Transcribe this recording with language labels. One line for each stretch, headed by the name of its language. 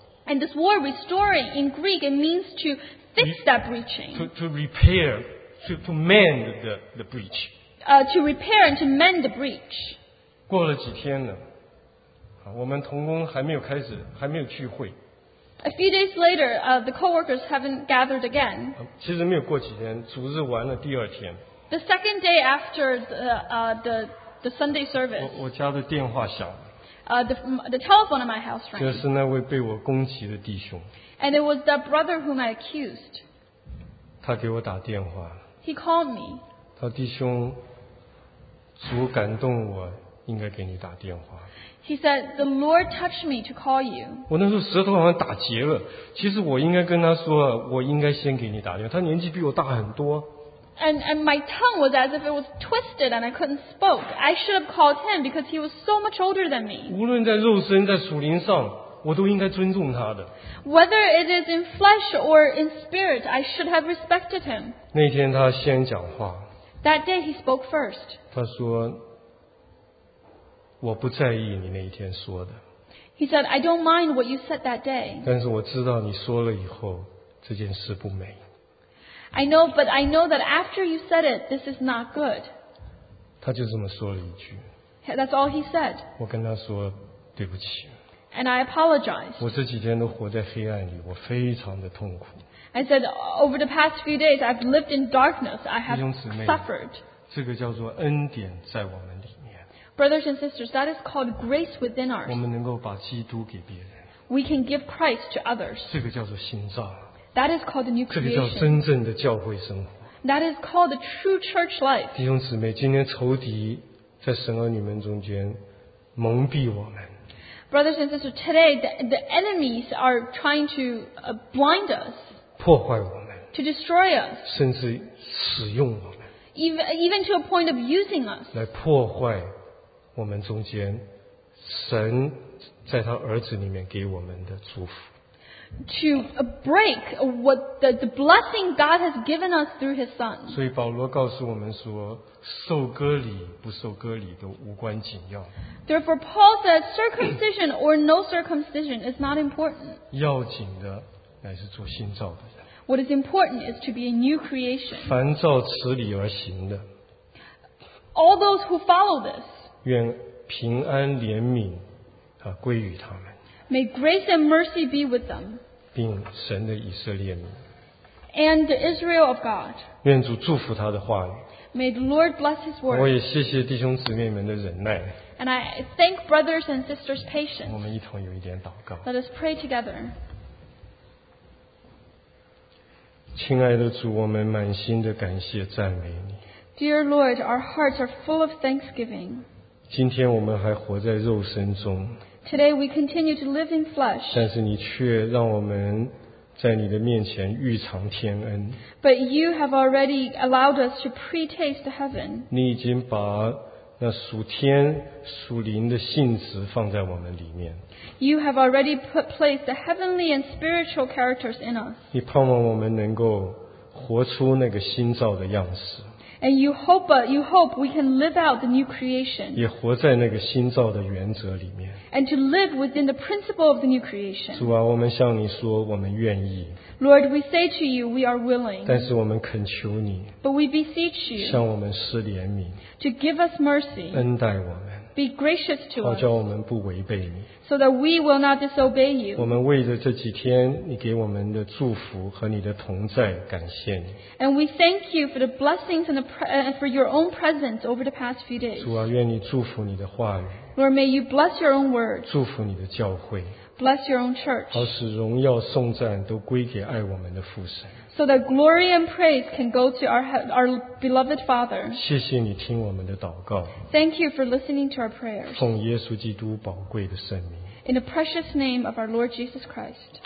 English: And this word restoring in Greek it means to fix that breaching. To repair, to mend the breach. To repair and to mend the breach.
Chinese: 过了几天了，我们同工还没有开始，还没有聚会。
English: A few days later, the co-workers haven't gathered again.
Chinese: 其实没有过几天，主日完了第二天。
English: The second day after the Sunday service.
Chinese: 我家的电话响。
English: The telephone in my house rang.
Chinese: 就是那位被我攻击的弟兄。
English: And it was the brother whom I accused.
Chinese: 他给我打电话。
English: He called me.
Chinese: 他弟兄，主感动我，应该给你打电话。
English: He said, "The Lord touched me to call you."
Chinese: 我那时候舌头好像打结了。其实我应该跟他说，我应该先给你打电话。他年纪比我大很多。
English: And my tongue was as if it was twisted and I couldn't spoke. I should have called him because he was so much older than me.
Chinese: 无论在肉身在属灵上我都应该尊重他的。
English: Whether it is in flesh or in spirit, I should have respected him.
Chinese: 那天他先讲话。
English: That day he spoke first.
Chinese: 他说我不在意你那一天说的。
English: He said, I don't mind what you said that day.
Chinese: 但是我知道你说了以后这件事不美。
English: I know, but I know that after you said it, this is not good.
Chinese: 他就这么说了一句。
English: That's all he said.
Chinese: 我跟他说对不起。
English: And I apologized.
Chinese: 我这几天都活在黑暗里，我非常的痛苦。
English: I said, over the past few days, I've lived in darkness. I have suffered.
Chinese: 这个叫做恩典在我们里面。
English: Brothers and sisters, that is called grace within us.
Chinese: 我们能够把基督给别人。
English: We can give Christ to others.
Chinese: 这个叫做新造。
English: That is called the new creation.
Chinese: 这个叫真正的教会生活。
English: That is called the true church life.
Chinese: 弟兄姊妹，今天仇敌在神儿女们中间蒙蔽我们。
English: Brothers and sisters, today the enemies are trying to blind us.
Chinese: 破坏我们。
English: To destroy us.
Chinese: 甚至使用我们。
English: Even to a point of using us.
Chinese: 来破坏我们中间神在他儿子里面给我们的祝福。
English: To break what the blessing God has given us through His Son.
Chinese: 所以保罗告诉我们说，受割礼不受割礼都无关紧要。
English: Therefore, Paul says circumcision or no circumcision is not important.
Chinese: 要紧的乃是做新造的人。
English: What is important is to be a new creation.
Chinese: 凡照此理而行的。
English: All those who follow this.
Chinese: 愿平安怜悯啊归于他们。
English: May grace and mercy be with them.
Chinese: 并神的以色列民。
English: And the Israel of God.
Chinese: 愿主祝福他的话语。
English: May the Lord bless his word.
Chinese: 我也谢谢弟兄姊妹们的忍耐。
English: And I thank brothers and sisters' patience.
Chinese: 我们一同有一点祷告。
English: Let us pray together.
Chinese: 亲爱的主，我们满心的感谢赞美你。
English: Dear Lord, our hearts are full of thanksgiving.
Chinese: 今天我们还活在肉身中。
English: Today we continue to live in flesh.
Chinese: 但是你却让我们在你的面前预尝天恩。
English: But you have already allowed us to pre-taste heaven.
Chinese: 你已经把那属天属灵的性质放在我们里面。
English: You have already put place the heavenly and spiritual characters in us.
Chinese: 你盼望我们能够活出那个新造的样式。
English: And you hope we can live out the new creation.
Chinese: 也活在那个新造的原则里面。
English: And to live within the principle of the new creation.
Chinese: 主啊，我们向你说，我们愿意。
English: Lord, we say to you, we are willing.
Chinese: 但是我们恳求你。
English: But we beseech you.
Chinese: 向我们施怜悯。
English: To give us mercy.
Chinese: 恩待我们。
English: Be gracious to us.
Chinese: 好叫我们不违背你。
English: So that we will not disobey you.
Chinese: 我们为着这几天你给我们的祝福和你的同在感谢你。
English: And we thank you for the blessings and for your own presence over the past few days.
Chinese: 主啊，愿你祝福你的话语。
English: Lord, may you bless your own word.
Chinese: 祝福你的教会。
English: Bless your own church.
Chinese: 好使荣耀颂赞都归给爱我们的父神。
English: So that glory and praise can go to our beloved Father.
Chinese: 谢谢你听我们的祷告。
English: Thank you for listening to our prayers.
Chinese: 奉耶稣基督宝贵的圣名。
English: In the precious name of our Lord Jesus Christ.